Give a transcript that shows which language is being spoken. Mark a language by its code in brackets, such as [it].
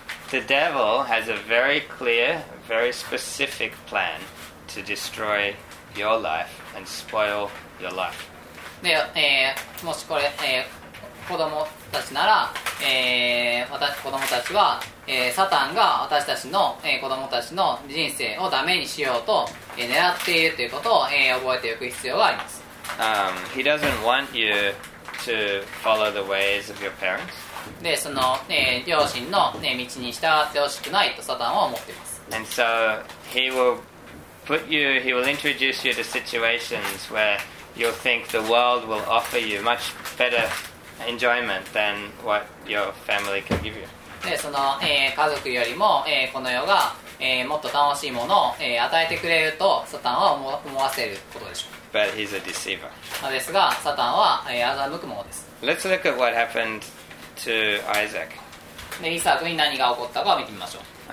[en] The devil has a very clear,very specific plan to destroy your life and spoil your life. [ja] で、もしこれ、子供たちなら、私子供たちは、サタンが私たちの、子供たちの人生をダメにしようと、狙っているということを、覚えておく必要があります。 [en] He doesn't want you to follow the ways of your parents. [ja] で、その、両親の、道に従ってほしくないとサタンは思っています。 [en] And so he will put you, he will introduce you to situations where you'll think the world will offer you much better enjoyment than what your family can give you. [ja] で、その、家族よりも、この世が、もっと楽しいものを、与えてくれるとサタンは思わせることでしょう。 [en] But he's a deceiver. [ja] ですが、サタンは、欺くものです。 [en] Let's look at what happened to Isaac. [ja] で、イサクに何が起こったかを見てみましょう。